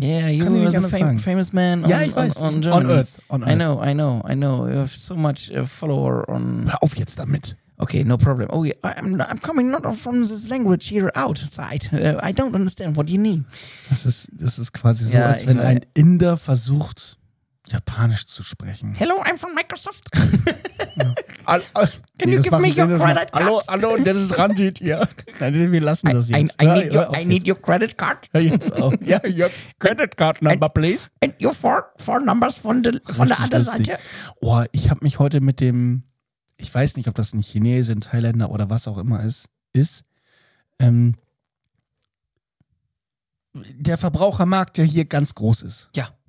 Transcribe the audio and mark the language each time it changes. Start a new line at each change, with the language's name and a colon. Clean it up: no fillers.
English: Yeah, you were the famous man on Earth. I know. You have so much follower on...
German: Hör auf jetzt damit.
English: Okay, no problem. Oh, yeah. I'm coming not from this language here outside. I don't understand what you mean.
German: Das ist quasi so, ja, als wenn ein Inder versucht, Japanisch zu sprechen.
English: Hello, I'm from Microsoft.
German: Hallo, das ist Ranjit hier. Wir lassen das jetzt.
English: I need your credit card.
German: Ja, jetzt auch.
English: Ja, your credit card number, please. And your four numbers
German: von der anderen Seite. Oh, ich habe mich heute mit dem, ich weiß nicht, ob das ein Chinese, ein Thailänder oder was auch immer ist. Der Verbrauchermarkt, der hier ganz groß ist. Ja.